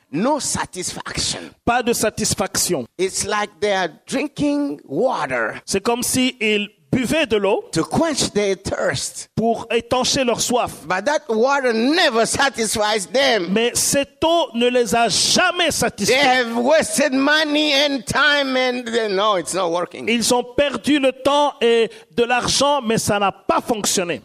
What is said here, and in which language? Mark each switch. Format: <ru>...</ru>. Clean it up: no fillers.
<en>No satisfaction.</en> <fr>Pas de satisfaction.</fr> <en>It's like they are drinking water.</en> <fr>C'est comme si ils buvaient de l'eau.</fr> <en>To quench their thirst.</en> <fr>Pour étancher leur soif.</fr> <en>But that water never satisfies them.</en> <fr>Mais cette eau ne les a jamais satisfaits.</fr> <en>They have wasted money and time and no, it's not working.</en> <fr>Ils ont perdu le temps et de l'argent, mais ça n'a pas fonctionné.</fr>